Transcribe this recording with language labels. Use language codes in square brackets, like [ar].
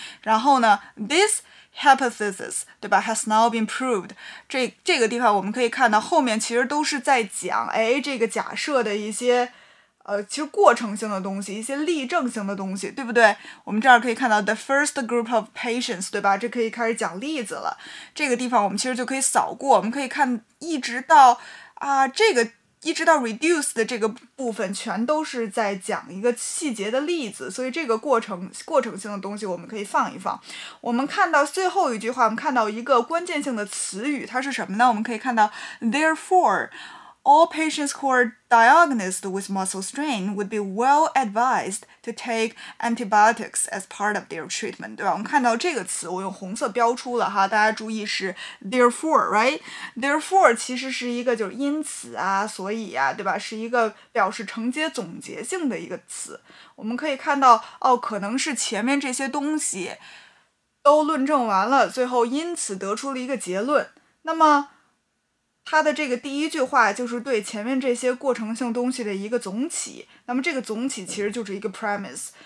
[en] 然后呢， this hypothesis, 对吧， has now been proved. [zh] 这个地方我们可以看到后面其实都是在讲，哎，这个假设的一些其实过程性的东西，一些例证性的东西，对不对？我们这儿可以看到 [en] the first group of patients， [zh] 对吧？这可以开始讲例子了。这个地方我们其实就可以扫过，我们可以看一直到这个一直到 reduce 的这个部分全都是在讲一个细节的例子，所以这个过程性的东西我们可以放一放。我们看到最后一句话，我们看到一个关键性的词语，它是什么呢？我们可以看到 therefore [en] all patients who are diagnosed with muscle strain would be well advised to take antibiotics as part of their treatment, 对吧？ [zh] 我们看到这个词，我用红色标出了哈，大家注意是 [en] therefore, right? [zh] Therefore 其实是一个就是因此啊，所以啊，对吧？是一个表示承接总结性的一个词。我们可以看到，哦，可能是前面这些东西都论证完了，最后因此得出了一个结论。那么他的这个第一句话就是对前面这些过程性东西的一个总体，那么这个总体其实就是一个 premise。